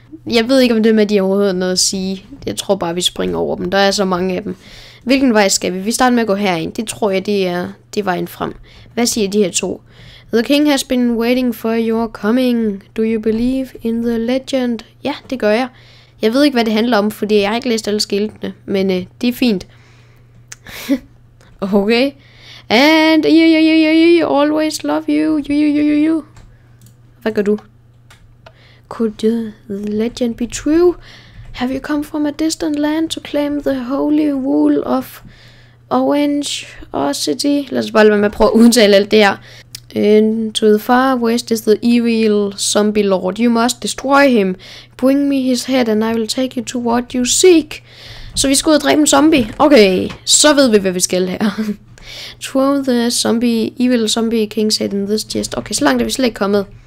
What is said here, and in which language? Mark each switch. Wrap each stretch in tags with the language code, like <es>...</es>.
<da>Jeg ved ikke, om det er med, de overhovedet noget at sige. Jeg tror bare, vi springer over dem. Der er så mange af dem. Hvilken vej skal vi? Vi starter med at gå herind. Det tror jeg, det er vejen frem. Hvad siger de her to?</da> <en>The king has been waiting for your coming. Do you believe in the legend?</en> <da>Ja, det gør jeg. Jeg ved ikke, hvad det handler om, fordi jeg har ikke læst alle skiltene, men det er fint.</da> <en>Okay. And I always love you. You.</en> <da>Hvad gør du?</da> <en>Could the legend be true? Have you come from a distant land to claim the holy wool of Orangeocity?</en> <da>Lad os bare være med at prøve at udtale alt det her.</da> <en>And to the far west is the evil zombie lord. You must destroy him. Bring me his head, and I will take you to what you seek.</en> <da>Så vi skal ud og dræbe en zombie. Okay, så ved vi, hvad vi skal her.</da> <en>Throw the zombie, evil zombie king's head in this chest.</en> <da>Okay, så langt er vi slet ikke kommet.</da>